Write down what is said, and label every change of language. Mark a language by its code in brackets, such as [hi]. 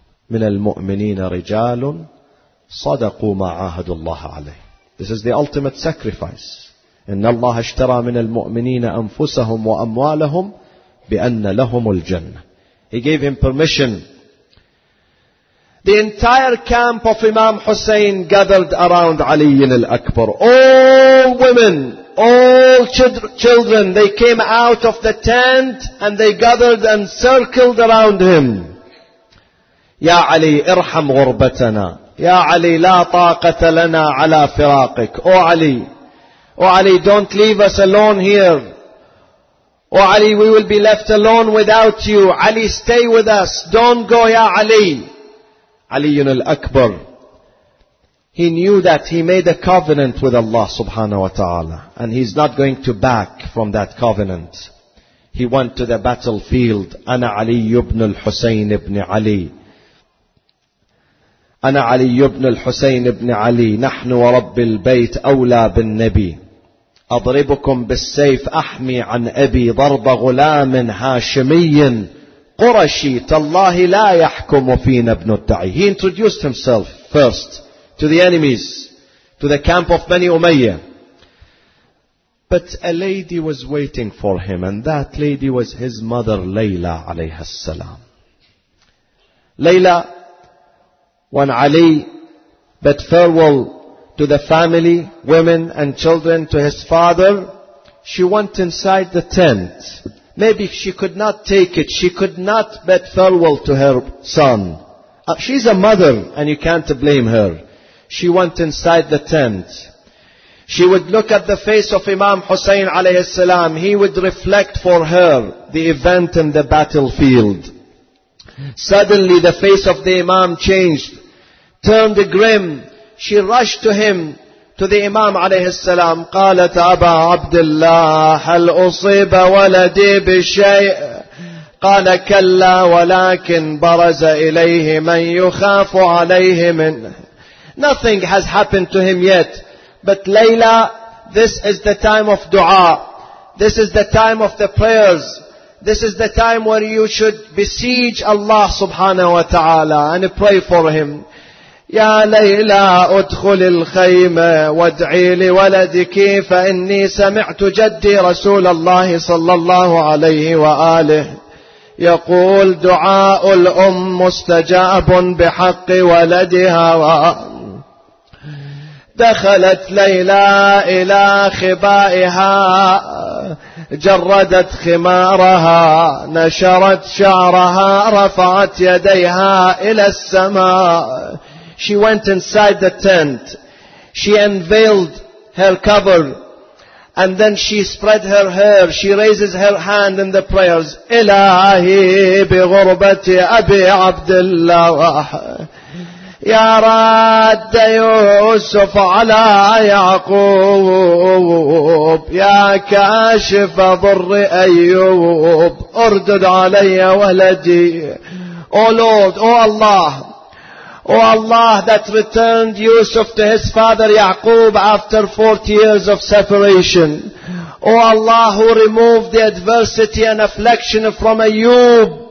[ar] من المؤمنين رجال صدقوا ما عاهدوا الله عليه. [en] This is the ultimate sacrifice. [ar] إن الله اشترى من المؤمنين أنفسهم وأموالهم بأن لهم الجنة. [en] He gave him permission. The entire camp of Imam Hussein gathered around Ali al-Akbar. All women, all children, they came out of the tent and they gathered and circled around him. [ar] يا علي ارحم غربتنا. يا علي لا طاقة لنا على فراقك. [en] Oh Ali, don't leave us alone here. Oh Ali, we will be left alone without you. Ali, stay with us. Don't go, Ya Ali. Ali al-Akbar, he knew that he made a covenant with Allah subhanahu wa ta'ala. And he's not going to back from that covenant. He went to the battlefield. [ar] Ana Ali ibn al-Husayn ibn Ali. Ana Ali ibn al-Husayn ibn Ali. Nahnu wa rabbi al-bayt awla bin nabi. أضربكم بالسيف أحمي عن أبي ضرب غلام هاشمي قرشي تالله لا يحكم فينا ابن الدعي. [en] He introduced himself first to the enemies, to the camp of Bani Umayyah. But a lady was waiting for him, and that lady was his mother Layla عليها السلام. Layla, when Ali bid farewell to the family, women and children, to his father, she went inside the tent. Maybe she could not take it. She could not bid farewell to her son. She's a mother and you can't blame her. She went inside the tent. She would look at the face of Imam Hussein alayhi salam. He would reflect for her the event in the battlefield. Suddenly the face of the Imam changed, turned grim. She rushed to him, to the Imam عليه السلام. [ar] قالت أبا عبد الله هل أصيب ولدي بشيء؟ قال كلا ولكن برز إليه من يخاف عليه من. [en] Nothing has happened to him yet. But Layla, this is the time of dua. This is the time of the prayers. This is the time where you should besiege Allah subhanahu wa ta'ala and pray for him. [ar] يا ليلى ادخل الخيمة وادعي لولدك فإني سمعت جدي رسول الله صلى الله عليه وآله يقول دعاء الأم مستجاب بحق ولدها. دخلت ليلى إلى خبائها جردت خمارها نشرت شعرها رفعت يديها إلى السماء. [en] She went inside the tent. She unveiled her cover. And then she spread her hair. She raises her hand in the prayers. [ar] إلهي بغربتي أبي عبد الله يا راد يوسف على يعقوب يا كاشف ضر أيوب أردد علي ولدي. [en] Oh Lord, oh Allah, O Allah that returned Yusuf to his father Yaqub after 40 years of separation. O Allah who removed the adversity and affliction from Ayyub.